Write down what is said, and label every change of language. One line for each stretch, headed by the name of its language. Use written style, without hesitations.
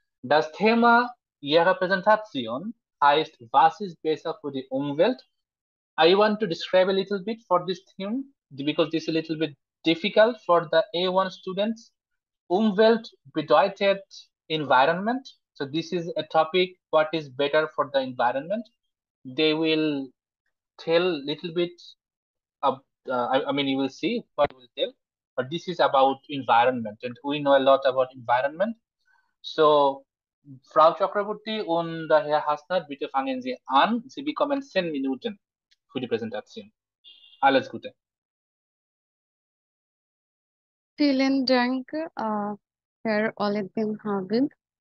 German: Das Thema Ihrer Präsentation heißt, was ist besser für die Umwelt?
English: I want to describe a little bit for this theme, because this is a little bit difficult for the A1 students.
German: Umwelt bedeutet
English: environment. So this is a topic, what is better for the environment. They will tell a little bit of, you will see what they will tell. But this is about environment, and we know a lot about environment.
German: So Frau Chakraborty und Herr Hasnat, bitte fangen Sie an. Sie bekommen 10 Minuten für die Präsentation. Alles Gute. Vielen Dank, Herr Oledin Habib.